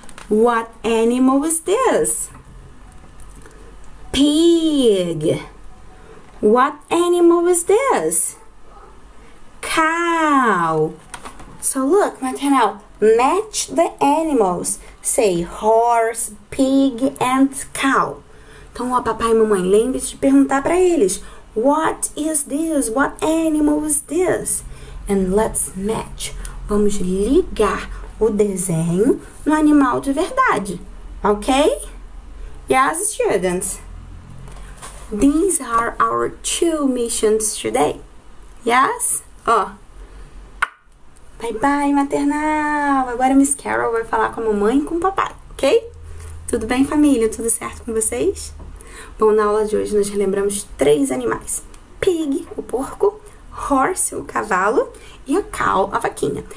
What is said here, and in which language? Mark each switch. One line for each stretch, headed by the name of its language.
English: What animal is this? Pig. What animal is this? Cow. So look, Matanel, match the animals. Say horse, pig, and cow.
Portuguese: Então, ó, papai e mamãe, lembre-se de perguntar para eles:
English: What is this? What animal is this? And let's match.
Portuguese: Vamos ligar o desenho no animal de verdade.
English: Ok? Yes, students. These are our two missions today. Yes? Oh. Bye bye, maternal.
Portuguese: Agora Miss Carol vai falar com a mamãe e com o papai, ok? Tudo bem, família? Tudo certo com vocês? Bom, na aula de hoje nós relembramos três animais: pig, o porco, horse, o cavalo, e a cow, a vaquinha.